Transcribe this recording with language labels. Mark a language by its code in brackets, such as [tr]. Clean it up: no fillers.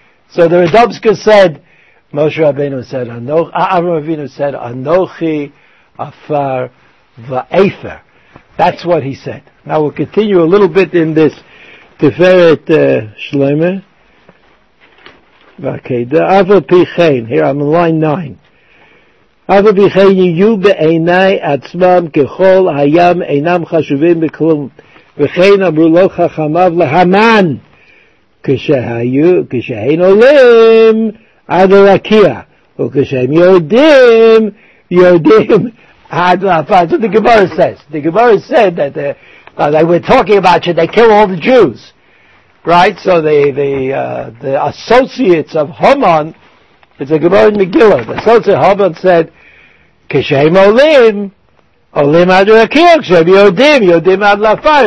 [en] So the Radomska said, Moshe Rabbeinu said, Avraham Avinu said, Anochi Afar V'Ether. That's what he said. Now we'll continue a little bit in this Tiferet Shlomo. Okay, the Avraham Pichain, here I'm on line 9. [he] אבל בכן יהיו בעיני עצמם ככל הים אינם חשובים בכלום. וכן אמרו לו חכמיו להמן, כשהם עולים עד הרקיע, וכשהם יורדים עד לאפר. [en] So the Gemara says, that we're talking about you, they kill all the Jews. Right? So the associates of Haman, it's a Gemara in Megillah, the associate of Haman said, Kishem Olim, Olim Ad Rakia, Kishem Yodim, Yodim Ad Lafar.